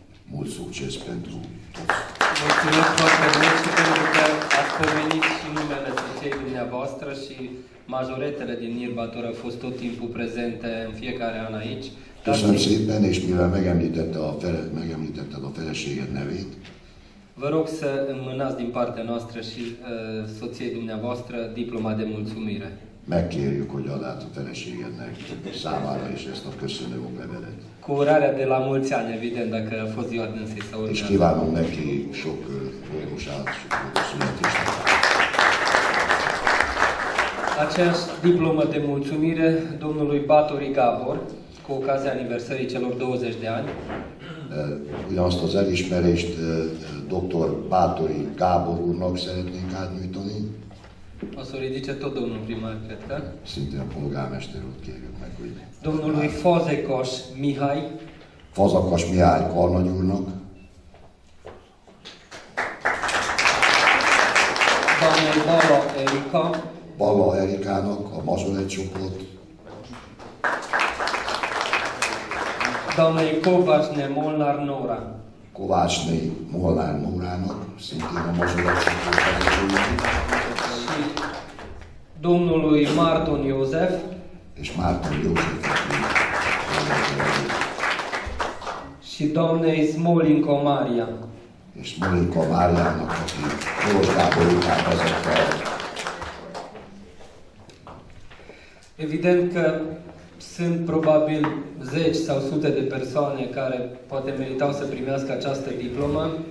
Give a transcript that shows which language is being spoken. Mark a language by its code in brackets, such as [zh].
[ro] Mult succes pentru toți! Mulțumesc foarte mult și pentru că ați convenit și numele soției dumneavoastră și majoretele din Nirbator au fost tot timpul prezente în fiecare an aici. [hu] Köszönöm szépen, és mivel megemlítette a feleséged nevét. [ro] Vă rog să înmânați din partea noastră și soției dumneavoastră diploma de mulțumire. [hu] Megkérjük, hogy ad át a feleségednek számára is ezt a köszönő levelet. [ro] Cu urarea de la mulți ani, evident, dacă a fost ziua dânsei sau urmează. [hu] És kívánom neki sok boldogságot, sok boldogságot. [ro] Aceeași diplomă de mulțumire domnului Bátori Gábor, cu ocazia aniversării celor 20 de ani. [hu] Ugyanazt az elismerést dr. Bátori Gábor úrnak szeretnénk átnyújtani. [ro] O să o ridice tot domnul primar, cred că. [hu] Szintén a polgármesterot kérjük meg, hogy... [ro] Domnului Fazekas Mihály. [hu] Fazekas Mihály karnagy úrnak. [ro] Bála Erika. [hu] Bála Erikának, a Mazsolet csoport. [ro] Doamnei Kovácsné Molnár Nóra. [hu] Kovácsné Molnár Nórának, szintén a Mazsolet csoportának úrnak. [ro] Domnului Márton József. [hu] És Márton József. [ro] Și doamnei Smolinko Mária. [hu] És Smolinko Máriának, aki Kolozsvából után vezette. [ro] Evident că sunt probabil zeci sau sute de persoane care poate meritau să primească această diplomă.